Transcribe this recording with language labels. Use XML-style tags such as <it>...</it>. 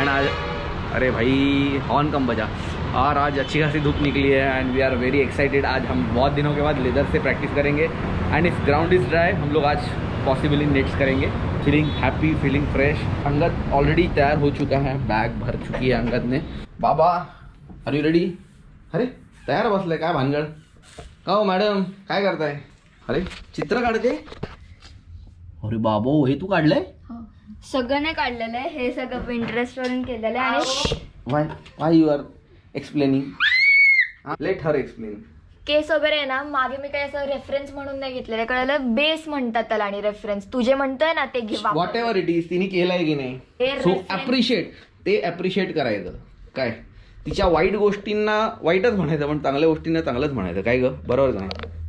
<hi>And आज अरे भाई हॉर्न कम बजा. और आज अच्छी खासी धूप निकली है</hi> <en>And we are very excited.</en> <hi>आज हम बहुत दिनों के बाद लेदर से प्रैक्टिस करेंगे</hi> <en>and if ground is dry</en> <hi>हम लोग आज पॉसिबली नेट्स करेंगे.</hi> <en>Feeling happy, feeling fresh.</en> <hi>Angad already तैयार हो चुका है, बैग भर चुकी है अंगद ने.</hi> <en>बाबा are you ready?</en> <mr>अरे तैयार बसले काय भानगड? कहो मैडम काय करताय? अरे चित्र काढते. अरे बाबू हे तू काढले? सगळं नाही काढलेलं आहे, हे सगळं पिंटरेस्टवरून केलेलं आहे.</mr> <en>Why why you are explaining? Let her explain.</en> <mr>केस वगैरे आहे ना, मागे मी काही असं रेफरन्स म्हणून नाही घेतलेलं, कळलं? बेस म्हणतात त्याला आणि रेफरन्स. तुझे म्हणतोय ना ते घेवा,</mr> <en>Whatever it is.</en> <mr>तिने केलंय की नाही सो अप्रिशिएट. ते अप्रिशिएट करायचं काय, तिच्या वाईट गोष्टींना वाईटच म्हणायचं पण चांगल्या गोष्टींना चांगलंच म्हणायचं काय ग. बरोबर का नाही?</mr>